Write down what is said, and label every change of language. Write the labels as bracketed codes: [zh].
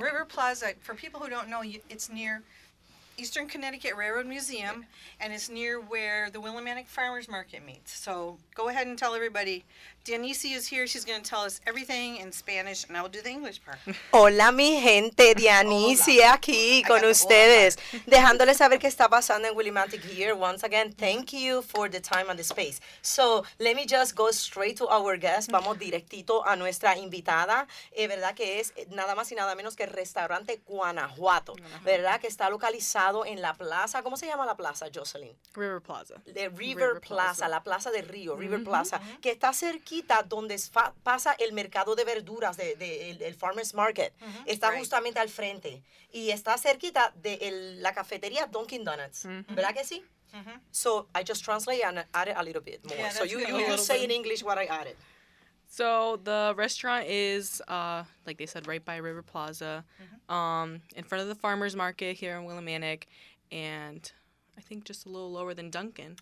[en] River Plaza, for people who don't know, it's near Eastern Connecticut Railroad Museum, yeah. And it's near where the Willimantic Farmers Market meets. So go ahead and tell everybody. Dionisia is here. She's going to tell us everything in Spanish, and I will do the English part. [es] Hola, mi gente. Dionisia aquí con ustedes. Dejándoles saber qué está pasando en Willimantic here. [en] Once again, thank you for the time and the space. So let me just go straight to our guest. [es] Vamos directito a nuestra invitada. Verdad que es nada más y nada menos que el restaurante Guanajuato. Verdad que está localizado en la plaza, ¿cómo se llama la plaza, Jocelyn? [en] River Plaza. [es] The River Plaza, la plaza del río, River Plaza, que está cerquita donde pasa el mercado de verduras, el Farmer's Market. Mm-hmm. Está justamente al frente. Y está cerquita de la cafetería Dunkin' Donuts. Mm-hmm. ¿Verdad que sí? Mm-hmm. [en] So, I just translate and add it a little bit more. Yeah, so, you say in English what I added. So, the restaurant is, like they said, right by River Plaza. Mm-hmm. In front of the farmer's market here in Willimantic, and I think just a little lower than Duncan.